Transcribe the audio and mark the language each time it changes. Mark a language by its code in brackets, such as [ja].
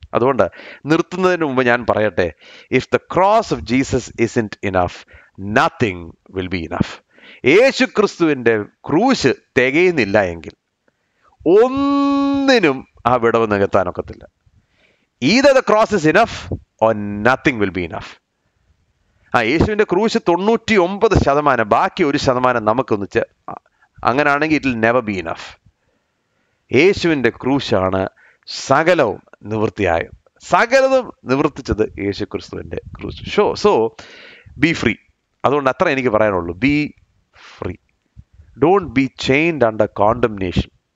[ml] അതുകൊണ്ട് നിർത്തുന്നതിന് മുമ്പ് ഞാൻ പറയട്ടെ, [en] If the cross of Jesus isn't enough, nothing will be enough. [ml] യേശു ക്രിസ്തുവിൻ്റെ ക്രൂശ് തികയുന്നില്ല എങ്കിൽ ഒന്നിനും ആ വിടവ് നികത്താനൊക്കത്തില്ല. [en] Either the cross is enough or nothing will be enough. [ml] ആ യേശുവിൻ്റെ ക്രൂശ് 99%, ബാക്കി 1% നമുക്കൊന്നിച്ച്, അങ്ങനെയാണെങ്കിൽ [en] It will never be enough. [ml] യേശുവിൻ്റെ ക്രൂശാണ് സകലവും നിവൃത്തിയായത്, സകലതും നിവർത്തിച്ചത് യേശു ക്രിസ്തുവിൻ്റെ ക്രൂശ്. [en] So be free. [ml] അതുകൊണ്ട് അത്ര എനിക്ക് പറയാനുള്ളൂ, [en] Be free, don't be chained under condemnation.